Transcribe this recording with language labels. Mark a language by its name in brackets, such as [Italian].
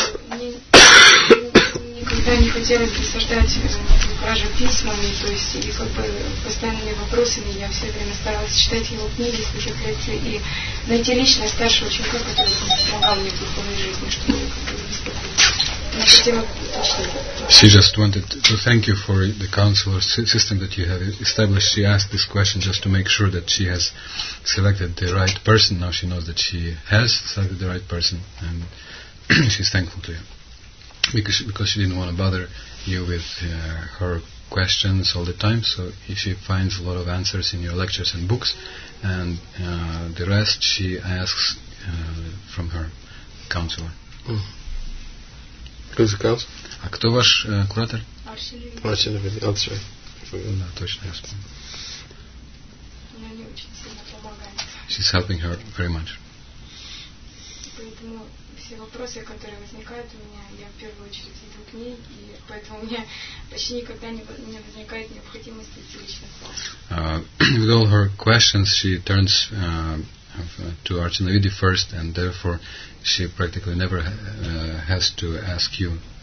[Russian] мне никогда не хотелось досаждать Гурумахараджу письмами, то есть и как бы постоянными вопросами, я все время старалась читать его книги, слушать лекции и найти лично старшего человека, который помогал мне в духовной жизни, чтобы как бы [English] She just wanted to thank you for the counselor system that you have established. She asked this question just to make sure that she has selected the right person. Now she knows that she has selected the right person, and she's thankful to you because she didn't want to bother you with her questions all the time. So she finds a lot of answers in your lectures and books, and the rest she asks from her counselor. Mm. [Russian] Кто заказ? А кто ваш куратор? Арсений. Арсений, отвечай. Да, точно, я вспомнил. Она не очень сильно помогает. [English] She's helping her very much. [Russian] Поэтому все вопросы, которые возникают у меня, я в первую очередь иду к ней, и поэтому у меня почти никогда не возникает необходимости идти лично. [English] With all her questions, she turns to Archanavidhi first, and therefore she practically never has to ask you.